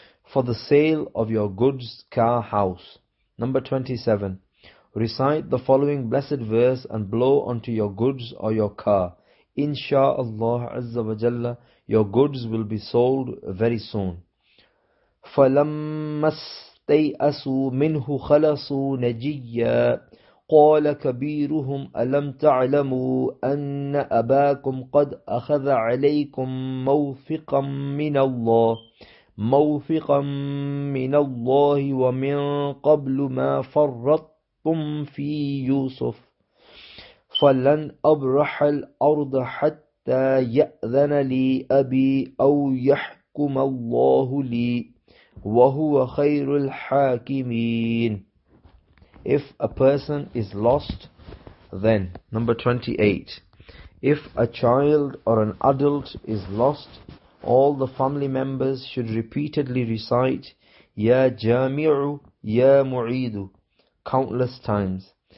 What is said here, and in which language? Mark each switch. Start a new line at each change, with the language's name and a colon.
English: For the sale of your goods, car, house. Number 27. Recite the following blessed verse and blow onto your goods or your car. Insha'Allah Azza wa Jalla, Your goods will be sold very soon.
Arabic: فَلَمَّا اسْتَيْأَسُوا مِنْهُ خَلَصُوا نَجِيًّا قال كبيرهم ألم تعلموا أن أباكم قد أخذ عليكم موثقا من الله ومن قبل ما فرطتم في يوسف فلن أبرح الأرض حتى يأذن لي أبي أو يحكم الله لي وهو خير الحاكمين.
English: If a person is lost, then, number 28, if a child or an adult is lost, all the family members should repeatedly recite, Ya Jami'u, Ya Mu'idu, countless times.